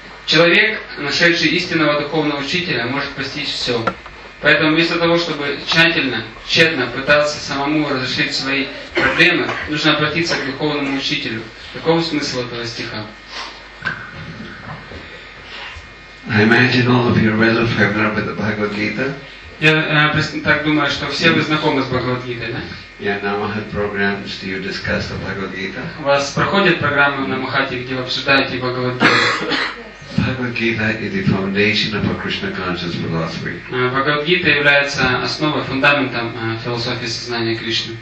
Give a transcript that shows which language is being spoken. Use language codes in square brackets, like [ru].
[ru] Человек, нашедший истинного духовного учителя, может постичь все. Поэтому вместо того, чтобы тщательно, тщетно пытаться самому разрешить свои проблемы, нужно обратиться к духовному учителю. Каков смысл этого стиха? [en] I imagine all of you are well familiar with the Bhagavad Gita. [ru] Я так думаю, что все вы знакомы с Бхагавад Гитой, да? [en] Yeah, now I have programs to discuss the Bhagavad Gita. [ru] У вас проходят программы на Махате, где вы обсуждаете Бхагавад Гиту? [en] Bhagavad Gita is the foundation of a Krishna conscious philosophy. [ru] Bhagavad Gita является основой, фундаментом философии сознания Кришны.